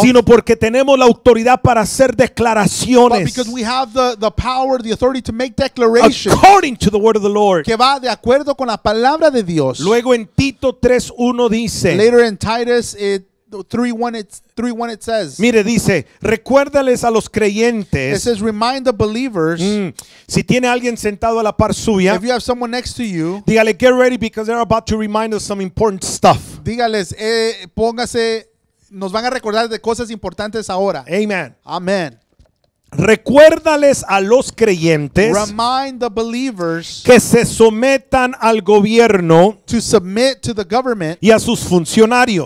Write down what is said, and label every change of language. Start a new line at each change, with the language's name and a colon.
Spanish: Sino porque tenemos la autoridad para hacer declaraciones.
English: But because we have the power, the authority to make declarations. According to the word of the Lord.
Spanish: Que va de acuerdo con la palabra de Dios. Luego en Tito 3:1 dice.
English: Later in Titus it 3:1 it says.
Spanish: Mire, dice, recuérdales a los creyentes.
English: It says, remind the believers.
Spanish: Si tiene alguien sentado a la par suya,
English: if you have someone next to you,
Spanish: dígale,
English: get ready because they're about to remind us some important stuff.
Spanish: Dígales, póngase, nos van a recordar de cosas importantes ahora. Amen.
English: Amen.
Spanish: Recuérdales a los creyentes,
English: remind the believers,
Spanish: que se sometan al gobierno,
English: to submit to the government,
Spanish: y a sus funcionarios,